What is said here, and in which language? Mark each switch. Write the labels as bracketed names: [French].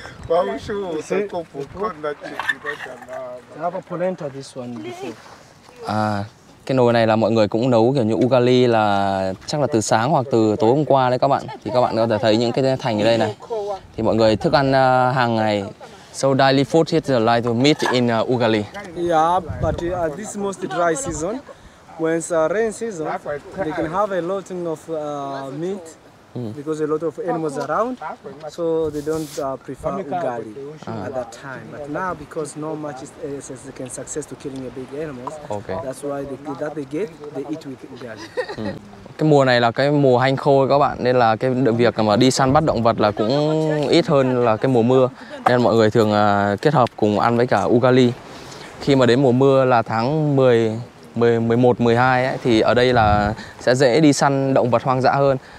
[English] I have a polenta this one before. [Vietnamese] Cái nồi này là mọi người cũng nấu kiểu như ugali là chắc là từ sáng hoặc từ tối hôm qua đấy các bạn. Thì các bạn có thể thấy những cái thành ở đây này. Thì mọi người thức ăn hàng ngày. [English] So daily food is like the meat in ugali. Yeah, but this is most dry season. When it's rain season, they can have a lot of meat. Because a lot of animals around, so they don't prefer ugali at that time. But now, because not much is they can success to killing a big animals, okay. That's why they get they eat with ugali. [Vietnamese] Cái mùa này là cái mùa hanh khô các bạn, nên là cái việc mà đi săn bắt động vật là cũng ít hơn là cái mùa mưa, nên mọi người thường kết hợp cùng ăn với cả ugali. Khi mà đến mùa mưa là tháng 10, 11, 12 ấy, thì ở đây là sẽ dễ đi săn động vật hoang dã hơn.